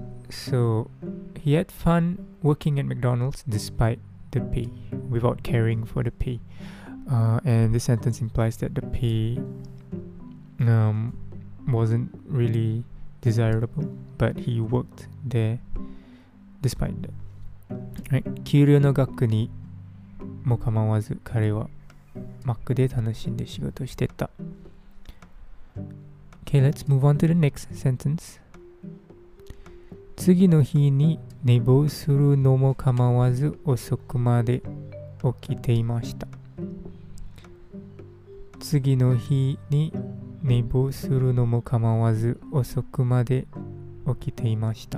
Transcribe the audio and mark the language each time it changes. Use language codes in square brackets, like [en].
[en] So he had fun working at McDonald's despite the pay, without caring for the pay. And this sentence implies that the pay wasn't really desirable, but he worked there despite that. Right? [ja] 給料の額にも構わず彼はマックで楽しんで仕事してた。 [en] Okay, let's move on to the next sentence. [ja] 次の日に寝坊するのも構わず遅くまで起きていました。次の日に寝坊するのも構わず遅くまで起きていました。